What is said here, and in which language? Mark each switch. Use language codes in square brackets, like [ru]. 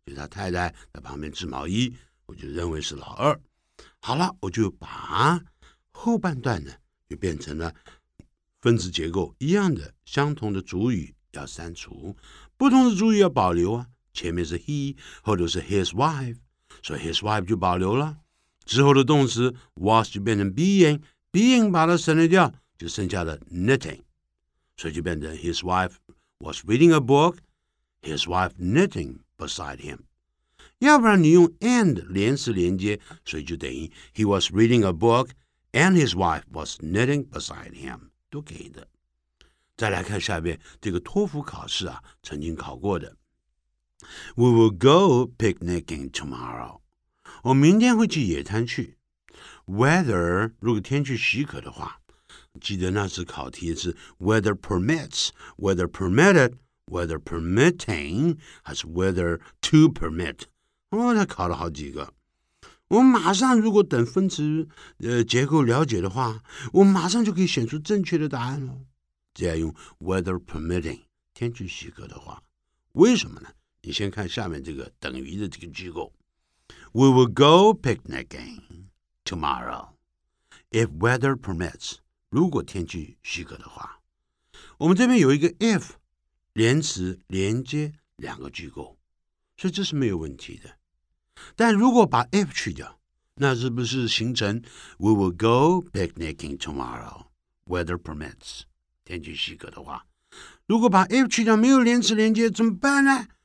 [zh] 他太太在旁边织毛衣，我就认为是老二。好了，我就把后半段呢就变成了分子结构一样的，相同的主语要删除，不同的主语要保留啊。前面是 he， 后头是 his wife， 所以 his wife 就保留了。之后的动词 was 就变成 being 把它省略掉，就剩下了 knitting， 所以就变成 [en] his wife was reading a book， his wife knittingBeside him， [zh] 要不然你用 and 连词连接，所以就等于 [en] he was reading a book and his wife was knitting beside him， [zh] 都可以的。再来看下边这个托福考试啊，曾经考过的。 [en] We will go picnicking tomorrow， [zh] 我明天会去野餐去。 Weather 如果天气许可的话，记得那次考题是 [en] weather permits， weather permitted。 Whether permitting [zh] 还是 [en] whether to permit， [zh] 哦，他考了好几个。我马上如果等分词结构了解的话，我马上就可以选出正确的答案了。只要用 [en] whether permitting [zh] 天气许可的话，为什么呢？你先看下面这个等于的这个句构 [en] ：We will go picnicking tomorrow if weather permits。 [zh] 如果天气许可的话，我们这边有一个 if。连词连接两个句构，所以这是没有问题的。但如果把 if 去掉，那是不是形成 [en] We will go picnicking tomorrow weather permits， [zh] 天气许可的话，如果把 if 去掉没有连词连接怎么办呢？